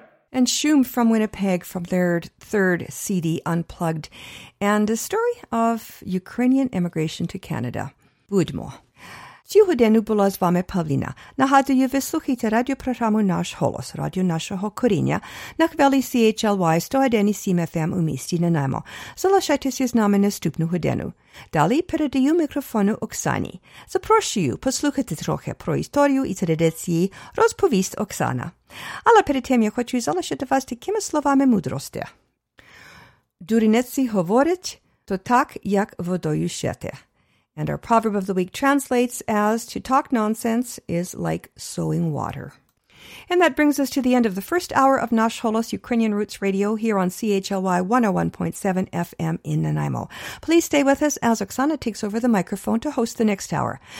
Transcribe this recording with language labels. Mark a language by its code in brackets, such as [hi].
[en] And Shum from Winnipeg from their third CD, Unplugged, and a story of Ukrainian immigration to Canada. [uk] Budmo. Цього дня була з вами Павліна. Нагадую, ви слухаєте радіопрограму «Наш голос», радіо нашого коріння, на хвилі CHLY 101.7 FM у місті Нанаймо. Залишайтеся з нами наступну годину. Далі передаю мікрофону Оксані. Запрошую послухати трохи про історію і традиції, розповість Оксана. Але перед тим я хочу залишити вас такими словами мудрості. Дурниці говорять, то так, як водою щете. [en] And our proverb of the week translates as, to talk nonsense is like sowing water. And that brings us to the end of the first hour of Nash Holos Ukrainian Roots Radio here on CHLY 101.7 FM in Nanaimo. Please stay with us as Oksana takes over the microphone to host the next hour.